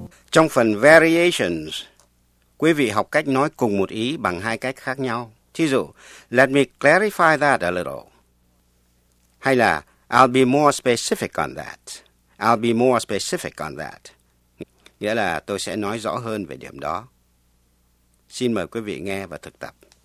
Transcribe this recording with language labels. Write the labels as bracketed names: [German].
[Vietnamese] Trong phần Variations, quý vị học cách nói cùng một ý bằng hai cách khác nhau. Thí dụ, [English] let me clarify that a little. [Vietnamese] Hay là, [English] I'll be more specific on that. I'll be more specific on that. [Vietnamese] Nghĩa là tôi sẽ nói rõ hơn về điểm đó. Xin mời quý vị nghe và thực tập.